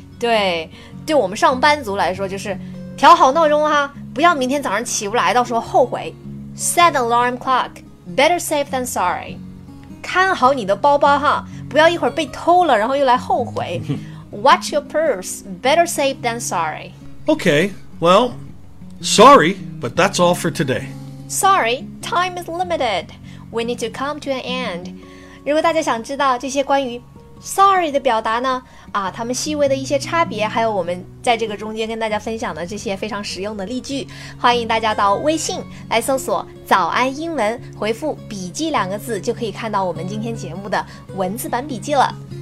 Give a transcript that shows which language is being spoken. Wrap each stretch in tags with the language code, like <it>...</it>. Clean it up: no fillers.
<zh>对我们上班族来说就是调好闹钟哈，不要明天早上起不来，到时候后悔。</zh> <en>Set the alarm clock. Better safe than sorry.</en> <zh>看好你的包包哈，不要一会儿被偷了，然后又来后悔。</zh> <en>Watch your purse. Better safe than sorry. Okay, well, sorry, but that's all for today. Sorry, time is limited. We need to come to an end.</en> <zh>如果大家想知道这些关于 sorry 的表达呢，啊，他们细微的一些差别，还有我们在这个中间跟大家分享的这些非常实用的例句，欢迎大家到微信来搜索早安英文，回复笔记两个字，就可以看到我们今天节目的文字版笔记了。</zh>